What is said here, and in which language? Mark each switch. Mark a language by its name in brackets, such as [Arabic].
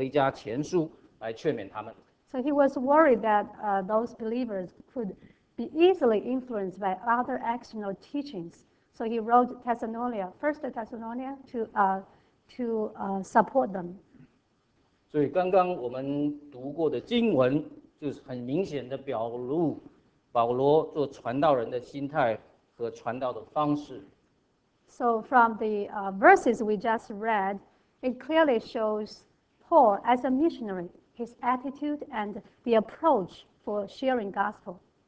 [Chinese] 深恐他们在因为真理的基础不稳固的时候，很容易受到外来各种教训的影响，所以他就写下了《帖撒罗尼迦前书》来劝勉他们。 [English] So he was worried that those believers could be easily influenced by other external teachings. So he wrote Thessalonica, First Thessalonica, to support them. [Chinese] 所以刚刚我们读过的经文就是很明显的表露。保罗做传道人的心态和传道的方式。 [English] So from the verses we just read, it clearly shows Paul as a missionary, his attitude and the approach for sharing gospel.